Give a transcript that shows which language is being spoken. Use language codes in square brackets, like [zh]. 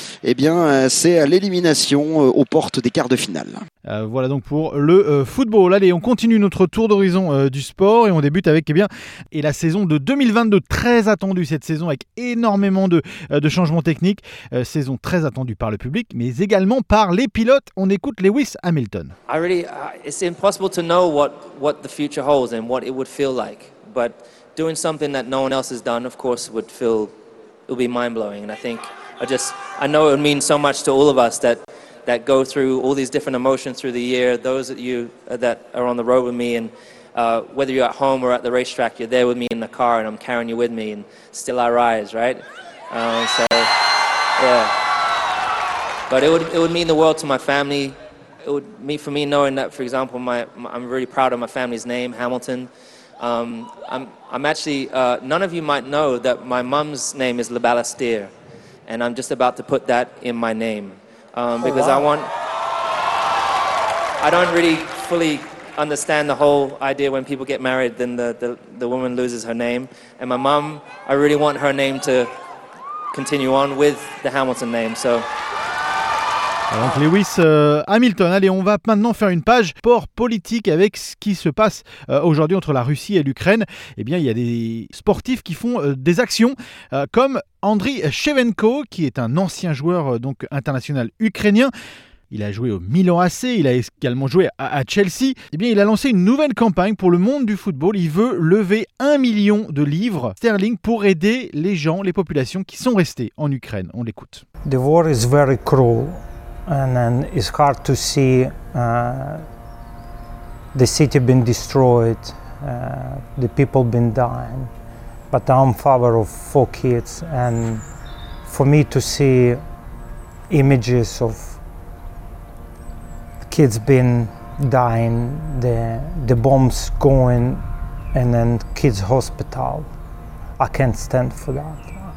[fr] Eh bien, c'est l'élimination aux portes des quarts de finale. Voilà donc pour le football. Allez, on continue notre tour d'horizon du sport et on débute avec la saison de 2022, très attendue cette saison avec énormément de changements techniques. Saison très attendue par le public, mais également par les pilotes. On écoute Lewis Hamilton. [en] It's impossible to know what the future holds and what it would feel like. But doing something that no one else has done, of course, would be mind-blowing. And I know it would mean so much to all of us that go through all these different emotions through the year, those that you that are on the road with me, and whether you're at home or at the racetrack, you're there with me in the car, and I'm carrying you with me, and still I rise, right? So, yeah. But it would mean the world to my family. It would mean for me knowing that, for example, I'm really proud of my family's name, Hamilton. None of you might know that my mum's name is LeBallastier, and I'm just about to put that in my name. Because wow. I don't really fully understand the whole idea when people get married, then the woman loses her name. And my mom, I really want her name to continue on with the Hamilton name, so. [fr] Donc Lewis Hamilton, allez, on va maintenant faire une page sport politique avec ce qui se passe aujourd'hui entre la Russie et l'Ukraine. Eh bien, il y a des sportifs qui font des actions, comme Andriy Shevchenko, qui est un ancien joueur donc international ukrainien. Il a joué au Milan AC, il a également joué à Chelsea. Eh bien, il a lancé une nouvelle campagne pour le monde du football. Il veut lever 1 million de livres sterling pour aider les gens, les populations qui sont restées en Ukraine. On l'écoute. [en] The war is very cruel. And then it's hard to see the city been destroyed, the people been dying. But I'm father of 4 kids, and for me to see images of kids been dying, the bombs going, and then kids hospital, I can't stand for that.